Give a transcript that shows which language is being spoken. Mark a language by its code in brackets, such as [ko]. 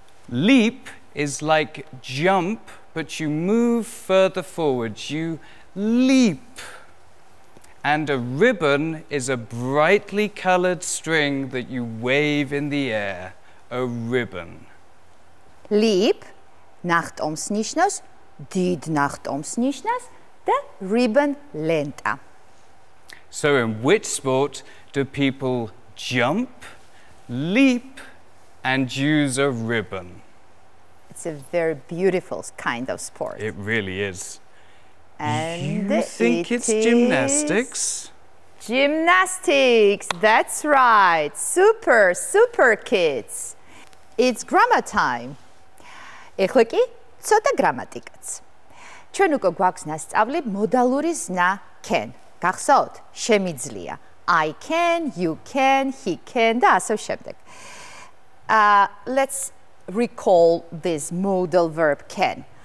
[en] Leap is like jump, but you move further forward. You leap. And a ribbon is a brightly colored string that you wave in the air. A ribbon. Leap, [ka] ნახტომს ნიშნავს, დიდ ნახტომს ნიშნავს, და [en] ribbon [ka] ლენტა. [en] So in which sport do people jump, leap, and use a ribbon? It's a very beautiful kind of sport. It really is. And you think it it's gymnastics? Gymnastics, that's right. Super, super kids. It's grammar time. [ka] ეხლა კი ცოტა გრამატიკაც. ჩვენ უკვე გვაქვს ნასწავლი მოდალური ზნა can. გახსოვთ? შემიძლია. [en] I can, you can, he can, [ka] და ასე შემდეგ. [en] Let's recall this modal verb can.